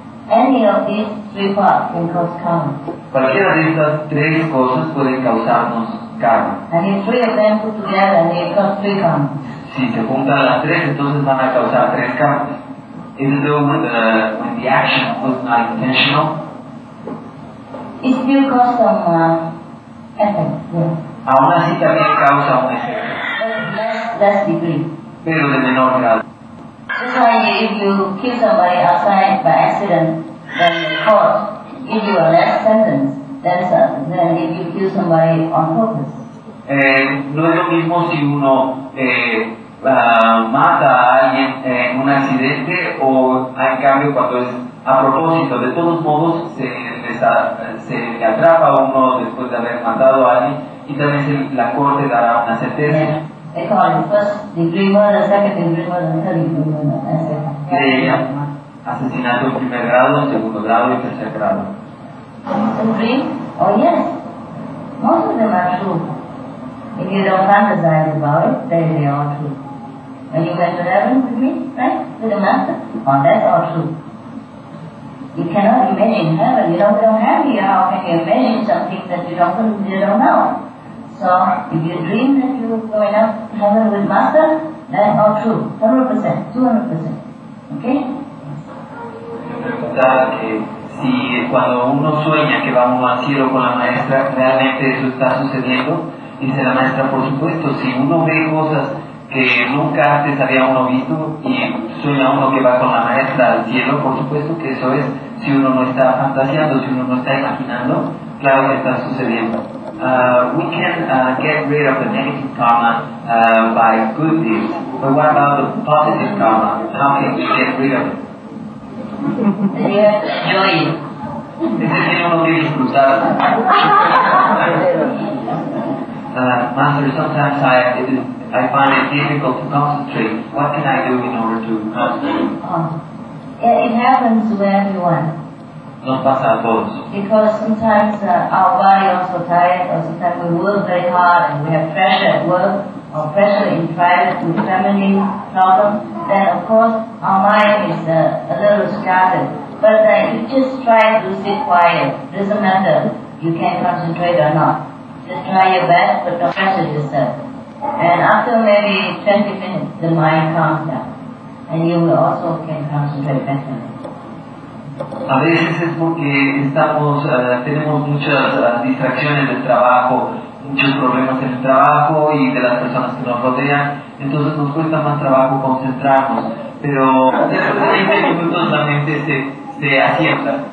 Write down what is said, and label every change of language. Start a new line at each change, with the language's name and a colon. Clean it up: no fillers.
English: Any of these three parts can cause karma.
Spanish: Cualquiera de estas tres cosas pueden causarnos karma.
English: And if three of them put together, they cause three karma.
Spanish: Si se juntan las tres, entonces van a causar tres karmas.
English: Even though when the action was not intentional, it still causes some effect. Yeah.
Spanish: Aún así también causa un efecto.
English: Less degree.
Spanish: Pero de menor grado.
English: That's why if you kill somebody outside by accident, then the court give you a less sentence than if you kill somebody on purpose.
Spanish: No es lo mismo si uno mata a alguien en un accidente o en cambio cuando es a propósito. De todos modos se le atrapa a uno después de haber matado a alguien y también la corte dará una sentencia.
English: Yeah. They call it first degree murder, second degree murder, third degree murder, etc.
Spanish: Asesinato en primer grado, segundo grado y tercer grado.
English: Degree? Oh yes. Most of them are true. If you don't fantasize about it, then they are true. When you went to heaven with me, right? With the master? Oh, that's all true. You cannot imagine heaven. You don't have here. How can you imagine something that you don't know? So, if you dream that you're going up to heaven with Master, that's all true, 100%, 200%, okay?
Spanish: Claro que si cuando uno sueña que vamos al cielo con la maestra, realmente eso está sucediendo, dice la maestra, por supuesto, si uno ve cosas que nunca antes había uno visto y sueña uno que va con la maestra al cielo, por supuesto que eso es, si uno no está fantaseando, si uno no está imaginando, claro que está sucediendo.
English: We can get rid of the negative karma by good deeds, but what about the positive karma? How can we get rid of it? Joy.
Spanish: Es decir, uno quiere disfrutar.
English: Master, sometimes I find it difficult to concentrate. What can I do in order to concentrate? It happens to everyone.
Spanish: Nos pasa a todos.
English: Because sometimes our body is also tired, or sometimes we work very hard and we have pressure at work, or pressure in private with family problems, then of course our mind is a little scattered. But you just try to sit quiet. Doesn't matter if you can concentrate or not. Just try your best, but don't pressure yourself. And after maybe 20 minutes, the mind calms down. And you will also can concentrate better.
Spanish: A veces es porque estamos, tenemos muchas distracciones del trabajo, muchos problemas en el trabajo y de las personas que nos rodean, entonces nos cuesta más trabajo concentrarnos, pero después de 20 minutos la mente se acierta.